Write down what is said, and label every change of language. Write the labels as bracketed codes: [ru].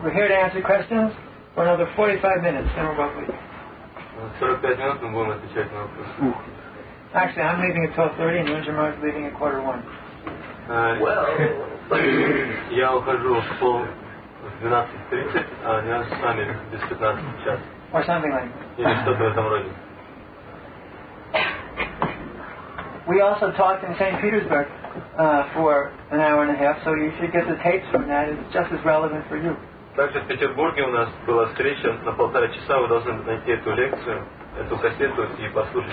[en] We're here to answer questions for another 45 minutes. Then we're roughly. 45 minutes, we're going to answer questions. Actually, I'm leaving at 12:30, and Ninjamar is leaving at 1:15. [ru] Я ухожу в 12:30, а у нас с вами без 15 час. [en] Or something like that. [ru] Или что-то в этом роде. [en] We also talked in St. Petersburg for an hour and a half, so you should get the tapes from that. It's just as relevant for you. [ru] Также в Петербурге у нас была встреча на полтора часа. Вы должны найти эту лекцию, эту кассету и послушать.